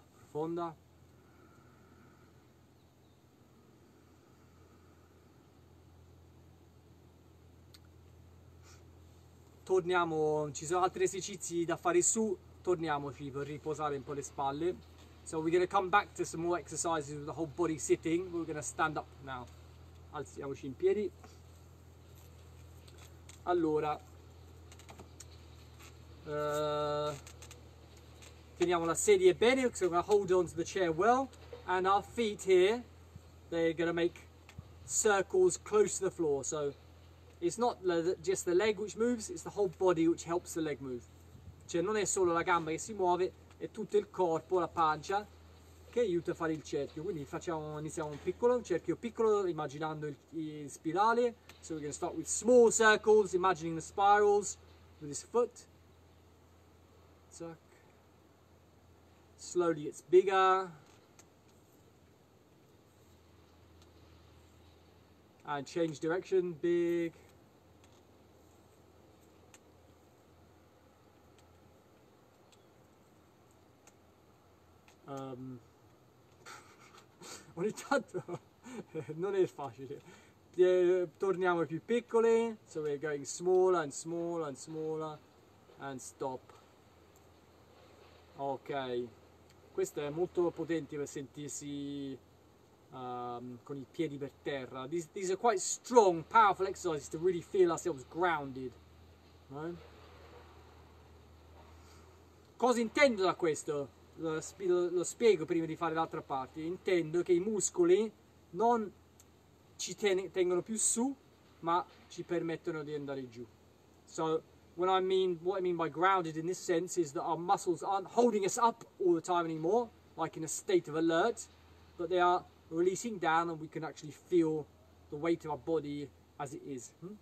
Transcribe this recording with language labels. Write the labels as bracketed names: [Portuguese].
[Italian] Profonda. Torniamo, ci sono altri esercizi da fare su. Torniamoci per riposare un po' le spalle. [English] So we're going to come back to some more exercises with the whole body sitting. We're going to stand up now. [Italian] Alziamoci in piedi. Allora, teniamo la sedia bene, [English] so we're going to hold on to the chair well. And our feet here, they're going to make circles close to the floor. So it's not just the leg which moves, it's the whole body which helps the leg move. [Italian] Cioè non è solo la gamba che si muove, è tutto il corpo, la pancia che aiuta a fare il cerchio. Quindi facciamo, iniziamo un piccolo, un cerchio piccolo, immaginando il spirale. [English] So we're gonna start with small circles, imagining the spirals with this foot. Zack. Slowly it's bigger. And change direction, big. [Italian] Ogni tanto non è facile. Torniamo più piccoli. [English] So we're going smaller and smaller and smaller and stop. [Italian] Ok, questo è molto potente per sentirsi con i piedi per terra. [English] These are quite strong, powerful exercises to really feel ourselves grounded, right? [Italian] Cosa intendo da questo? Lo spiego prima di fare l'altra parte. Intendo che i muscoli non ci tengono più su, ma ci permettono di andare giù. [English] So, what I mean by grounded in this sense is that our muscles aren't holding us up all the time anymore, like in a state of alert, but they are releasing down and we can actually feel the weight of our body as it is.